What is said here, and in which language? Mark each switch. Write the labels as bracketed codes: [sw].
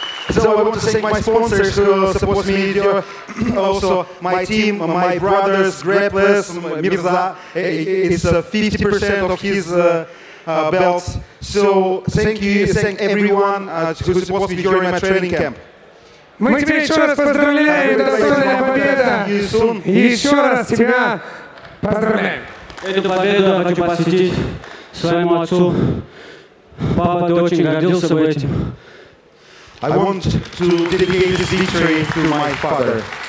[en] So I want to thank my sponsors who support me here, also my team, my brothers, Grapless, Mirza, it's 50% of his belt. So thank you, thank everyone who supports me during my training camp. [ru] Мы тебя еще раз поздравляем, достойная победа! Еще раз тебя поздравляем! Эту победу я хочу посвятить своему отцу. Папа, ты очень гордился бы этим. [en] I want to dedicate this victory to my father.